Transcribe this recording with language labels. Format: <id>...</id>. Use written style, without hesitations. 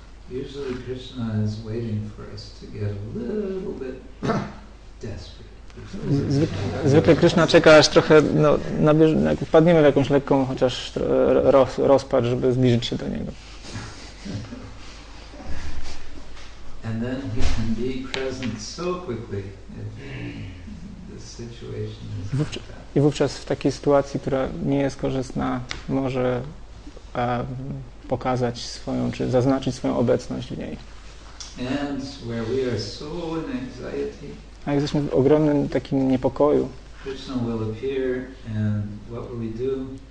<en>Usually Krishna is waiting for us to get a little bit desperate.</en> <pl>Zwykle Krishna czeka, aż trochę jak wpadniemy w jakąś lekką chociaż rozpacz, żeby zbliżyć się do Niego.</pl> <en>And then he can be present so quickly if the situation is like that.</en> <pl>I wówczas w takiej sytuacji, która nie jest korzystna, może pokazać swoją, czy zaznaczyć swoją obecność w niej.</pl> <en>And where we are so in anxiety.</en> <pl>A jak jesteśmy w ogromnym takim niepokoju,</pl> <en>Krishna will appear and what will we do?</en>